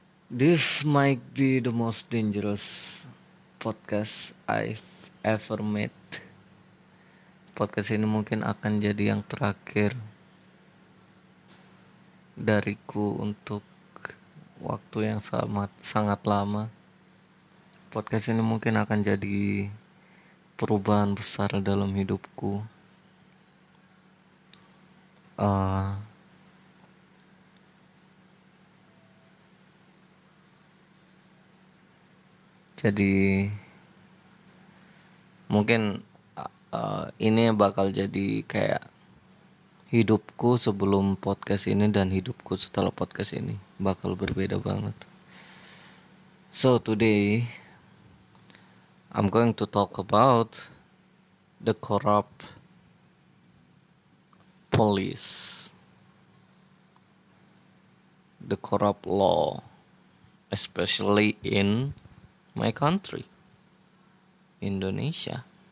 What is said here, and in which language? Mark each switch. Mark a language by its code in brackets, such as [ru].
[en] This might be the most dangerous podcast I've ever made. [id] Podcast ini mungkin akan jadi yang terakhir dariku untuk waktu yang sangat, sangat lama. Podcast ini mungkin akan jadi perubahan besar dalam hidupku. Jadi mungkin ini bakal jadi kayak hidupku sebelum podcast ini dan hidupku setelah podcast ini bakal berbeda banget. [en] So today I'm going to talk about the corrupt police, the corrupt law, especially in my country, Indonesia.